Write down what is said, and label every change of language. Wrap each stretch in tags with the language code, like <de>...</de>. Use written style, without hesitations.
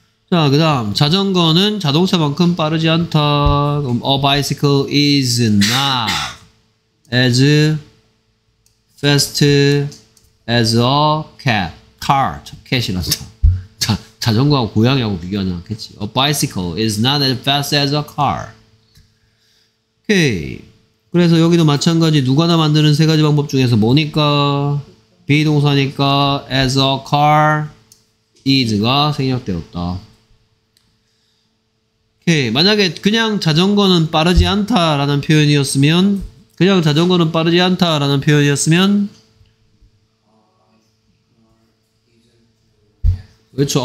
<ko>자, 그 다음 자전거는 자동차만큼 빠르지 않다. 그럼</ko> <en>a bicycle is not as fast as a cat, car, cat이 났다.</en> <ko>자전거하고 고양이하고 비교하지 않겠지.</ko> <en>A bicycle is not as fast as a car.</en> <ko>오케이. 그래서 여기도 마찬가지 누가나 만드는 세 가지 방법 중에서 뭐니까? 비동사니까 as a car is가 생략되었다. 오케이. 만약에 그냥 자전거는 빠르지 않다라는 표현이었으면 그냥 자전거는 빠르지 않다라는 표현이었으면 그렇죠.</ko>